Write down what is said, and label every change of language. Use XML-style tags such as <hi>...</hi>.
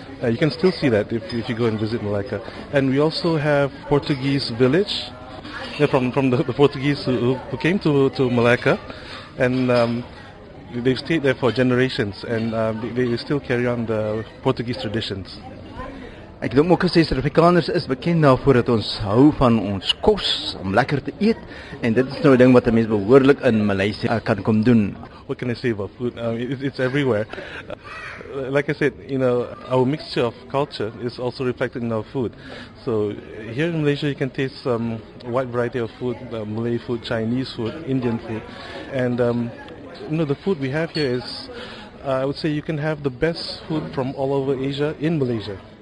<en>You can still see that if you go and visit Malacca. And we also have Portuguese village, from the Portuguese who came to Malacca, and they've stayed there for generations, and they still carry on the Portuguese traditions.</en> <af>Ek dink ook gesê Suid-Afrikaners is bekend daarvoor dat ons hou van ons kos, om lekker te eet, en dit is nou die ding wat 'n mens behoorlik in Maleisië kan kom doen.</af> <en>What can I say about food? It's everywhere. Like I said, our mixture of culture is also reflected in our food. So here in Malaysia, you can taste some wide variety of food, Malay food, Chinese food, Indian food, and the food we have here is, I would say, you can have the best food from all over Asia in Malaysia.</en>